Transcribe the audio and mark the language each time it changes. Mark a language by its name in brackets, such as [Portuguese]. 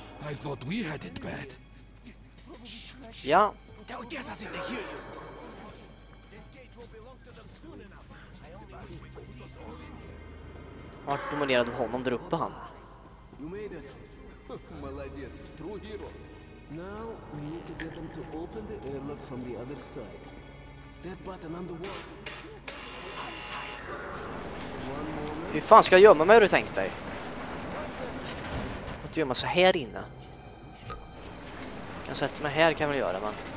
[English] I thought we had it bad. [Swedish] Ja. Vart dominerade honom där uppe han? [English] You made it. [Russian] Молодец, [English] true hero. Now we need to get them to open the airlock from the other side. That button on the wall. [Swedish] Hur fan ska jag gömma mig, har du tänkt dig? Att gömma sig här inne. Jag sätter mig här kan väl göra, man.